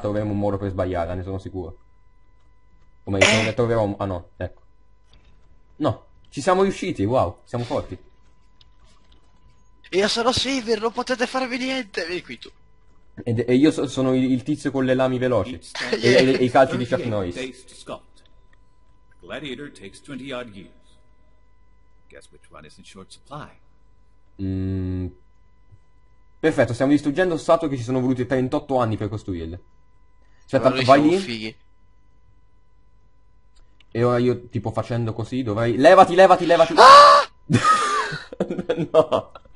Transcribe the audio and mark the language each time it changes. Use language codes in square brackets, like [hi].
[it] Troveremo un modo per sbagliarla, ne sono sicuro. Come ne troveremo... Ah no, ecco. No, ci siamo riusciti, wow, siamo forti. Io sono Sivir, non potete farvi niente. Vieni qui tu. E io sono il tizio con le lami veloci. e i calci di Chuck Norris. [en] Gladiator takes 20 odd years. Guess which one is in short supply. [it] Perfetto, stiamo distruggendo statue che ci sono voluti 38 anni per costruirle. Aspetta, vai lì. Fighi. E ora io, tipo, facendo così, dovrei... Levati! Ah! No!